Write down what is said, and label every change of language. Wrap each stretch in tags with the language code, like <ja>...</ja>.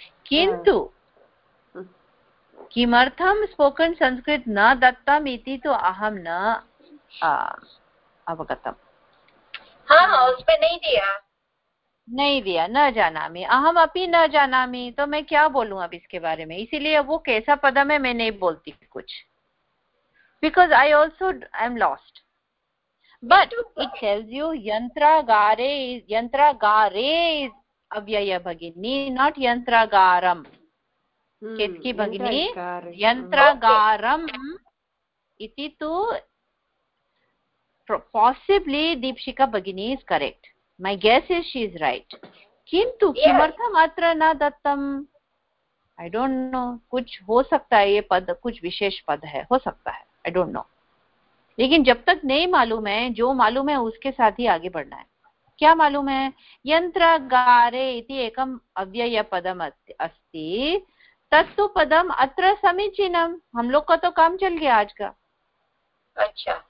<sa>किंतु किमर्थम स्पोकन संस्कृत न दत्तम इति तो अहम न अवगतम।</sa> <hi>हाँ, उसमें नहीं दिया, नहीं दिया,</hi> <sa>न जानामि, अहम अपि न जानामि,</sa> <hi>तो मैं क्या बोलूं अब इसके बारे में? इसीलिए वो कैसा पदम है मैं नहीं बोलती कुछ,</hi> <en>because I also am lost, but it tells you yantragare is avyaya bhagini, not yantragaram.</en> <sa>Ketki bhagini yantragaram iti tu</sa> <en>possibly Deepshika bhagini is correct, my guess is she is right,</en> <sa>kintu kimartham atra na dattam,</sa> <en>I don't know,</en> <hi>kuch ho sakta hai</hi> <en>ye pad kuch vishesh pad hai, ho sakta hai, I don't know.</en> <hi>लेकिन जब तक नहीं मालूम है, जो मालूम है उसके साथ ही आगे बढ़ना है। क्या मालूम है?</hi> <sa>यंत्रागारे इति एकम अव्यय पदम अस्ति, तत्तु पदम अत्र समीचीनम।</sa> <hi>हम लोग का तो काम चल गया आज का। अच्छा,</hi>